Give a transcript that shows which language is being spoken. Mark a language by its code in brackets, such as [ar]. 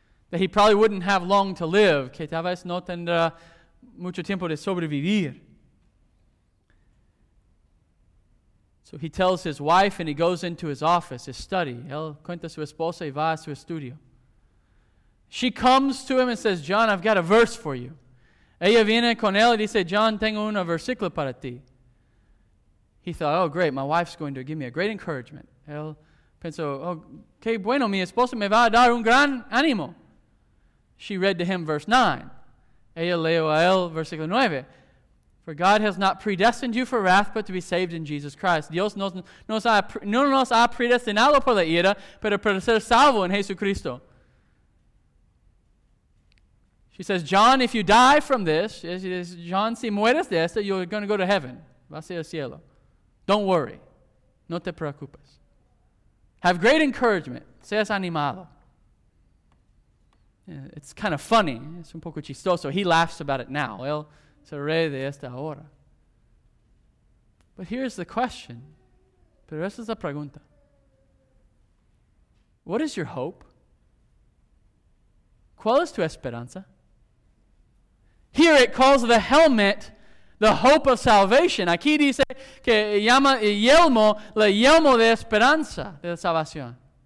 [en] That he probably wouldn't have long to live, [es] que tal vez no tendrá mucho tiempo de sobrevivir. [en] So he tells his wife and he goes into his office, his study. [es] Él cuenta su esposa y va a su estudio. [en] She comes to him and says, John, I've got a verse for you. [es] Ella viene con él y dice, John, tengo un versículo para ti. [en] He thought, oh great, my wife's going to give me a great encouragement. [es] Él pensó, oh, qué bueno, mi esposa me va a dar un gran ánimo. [en] She read to him verse 9. [es] Ella leo a él versículo 9. [en] For God has not predestined you for wrath, but to be saved in Jesus Christ. [es] Dios no nos ha predestinado por la ira, pero para ser salvo en Jesucristo. [en] She says, John, if you die from this, [es] John, si mueres de esto, [en] you're going to go to heaven. [es] Vas a ir al cielo. [en] Don't worry. [es] No te preocupes. [en] Have great encouragement. [es] Seas animado. [en] It's kind of funny. [es] Es un poco chistoso. [en] He laughs about it now. [es] Él se ríe de esta hora. [en] But here's the question. [es] Pero esa es la pregunta. [en] What is your hope? [es] ¿Cuál es tu esperanza? [en] Here it calls the helmet the hope of salvation. [es] Aquí dice que llama yelmo, la yelmo de esperanza, de salvación.